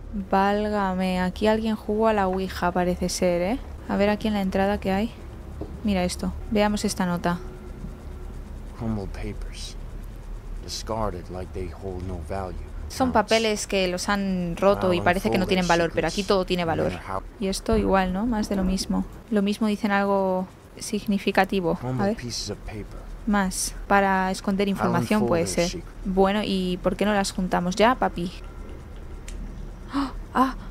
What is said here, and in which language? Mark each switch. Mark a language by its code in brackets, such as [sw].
[es] Válgame, aquí alguien jugó a la Ouija, parece ser, ¿eh? A ver aquí en la entrada qué hay. Mira esto, veamos esta nota. [en] Crumbled papers, discarded like they hold no value. [es] Son papeles que los han roto y parece que no tienen valor, pero aquí todo tiene valor. Y esto igual, ¿no? Más de lo mismo. Lo mismo dicen algo significativo. A ver. Más. Para esconder información puede ser. Bueno, ¿y por qué no las juntamos ya, papi? ¡Oh! ¡Ah!